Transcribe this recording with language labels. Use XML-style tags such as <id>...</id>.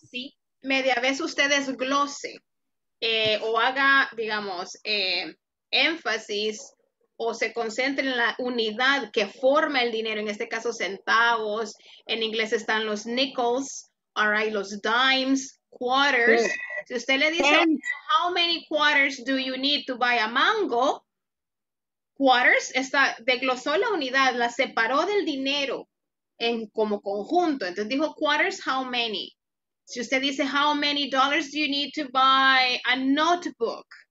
<es>Sí, media vez usted desglose o haga, digamos, énfasis o se concentre en la unidad que forma el dinero, en este caso centavos, en inglés están los nickels,</es> <en>all right,</en> <es>los dimes, quarters. Sí. Si usted le dice,</es> <en>how many quarters do you need to buy a mango?</en> <es>Quarters, está, desglosó la unidad, la separó del dinero. En como conjunto. Entonces dijo, quarters,</es> <en>how many?</en> <es>Si usted dice,</es> <en>how many dollars do you need to buy a notebook?</en>